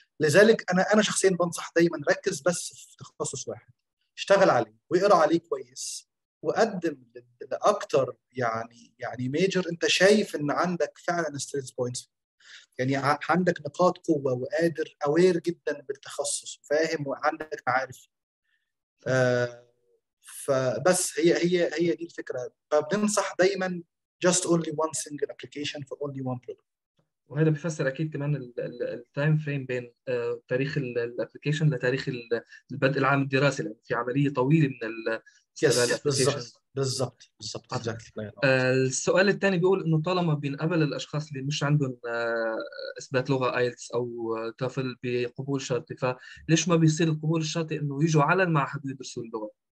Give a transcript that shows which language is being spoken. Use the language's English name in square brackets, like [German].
[Arabic] لذلك انا شخصيا بنصح دايما ركز بس في تخصص واحد، اشتغل عليه واقرا عليه كويس، وقدم لاكتر يعني ميجر انت شايف ان عندك فعلا ستريتس بوينتس، يعني عندك نقاط قوه وقادر اوير جدا بالتخصص وفاهم وعندك معارف. فبس هي دي الفكره. [English] فبننصح دايما just only one single application for only one product. [Arabic] وهذا بيفسر اكيد كمان التايم فريم بين تاريخ الابلكيشن لتاريخ البدء العام الدراسي، لان في عمليه طويله من استغلال الابلكيشن. بالضبط بالضبط بالضبط. السؤال الثاني بيقول انه طالما بينقبل الاشخاص اللي مش عندهم اثبات لغه ايلتس او توفل بقبول شرطي، فليش ما بيصير القبول الشرطي انه يجوا على المعهد ويدرسوا اللغه؟